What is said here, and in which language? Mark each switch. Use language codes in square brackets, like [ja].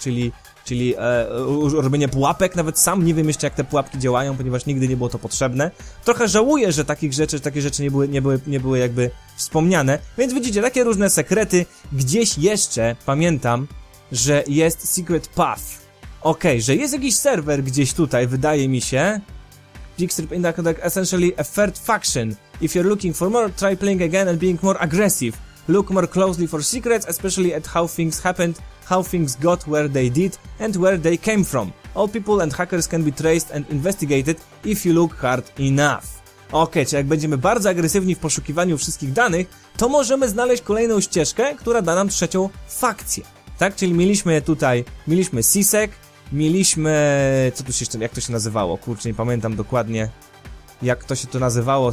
[pl] Czyli robienie pułapek, nawet sam nie wiem jeszcze jak te pułapki działają, ponieważ nigdy nie było to potrzebne. Trochę żałuję, że takie rzeczy nie były jakby wspomniane. Więc widzicie, takie różne sekrety. Gdzieś jeszcze pamiętam, że jest Secret Path. Okej, że jest jakiś serwer gdzieś tutaj, wydaje mi się. [en] Pixstrip Indacodec, essentially a third faction. If you're looking for more, try playing again and being more aggressive. Look more closely for secrets, especially at how things happened, how things got where they did, and where they came from. All people and hackers can be traced and investigated if you look hard enough. [pl] Okej, czy jak będziemy bardzo agresywni w poszukiwaniu wszystkich danych, to możemy znaleźć kolejną ścieżkę, która da nam trzecią fakcję. Tak, czyli mieliśmy CISEC, mieliśmy... Co tu się jeszcze... Jak to się nazywało? Kurczę, nie pamiętam dokładnie, jak to się to nazywało.